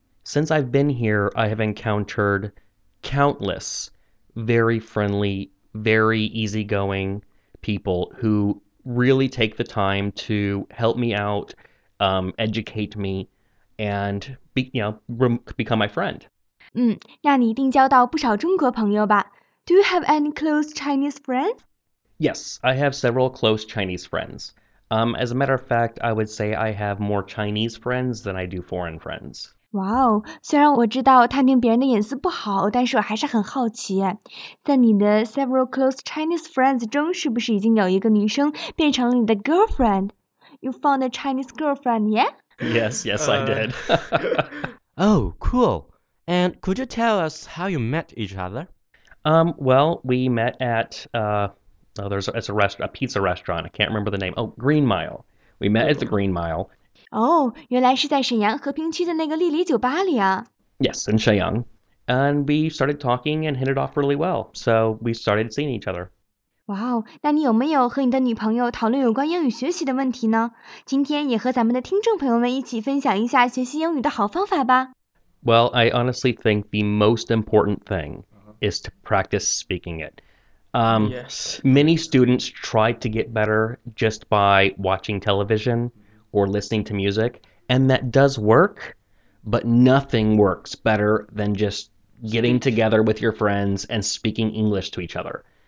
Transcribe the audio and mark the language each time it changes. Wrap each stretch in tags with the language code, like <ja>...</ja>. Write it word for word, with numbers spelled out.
<en>Since I've been here, I have encountered countless very friendly, very easygoing people who really take the time to help me out, um, educate me, and be, you know, re- become my friend.</en> <zh>嗯，那你一定交到不少中国朋友吧？</zh> <en>Do you have any close Chinese friends? Yes, I have several close Chinese friends. Um, as a matter of fact, I would say I have more Chinese friends than I do foreign friends.</en> <zh>哇哦，虽然我知道探听别人的隐私不好，但是我还是很好奇，在你的</zh> <en>several close Chinese friends</en> <zh>中，是不是已经有一个女生变成了你的 girlfriend?</zh> <en>You found a Chinese girlfriend, yeah? Yes, yes, uh... I did. Oh, cool. And could you tell us how you met each other? Um, well, we met at uh, oh, there's a, it's a rest a pizza restaurant. I can't remember the name. Oh, Green Mile. We met at the Green Mile.</en> <zh>哦，原来是在沈阳和平区的那个丽梨酒吧里啊。</zh> <en>Yes, in Shenyang, and we started talking and hit it off really well. So we started seeing each other.</en> <zh>哇哦，那你有没有和你的女朋友讨论有关英语学习的问题呢？今天也和咱们的听众朋友们一起分享一下学习英语的好方法吧。</zh> <en>Well, I honestly think the most important thing is to practice speaking it. Um, yes. Many students try to get better just by watching television or listening to music, and that does work, but nothing works better than just getting together with your friends and speaking English to each other.</en>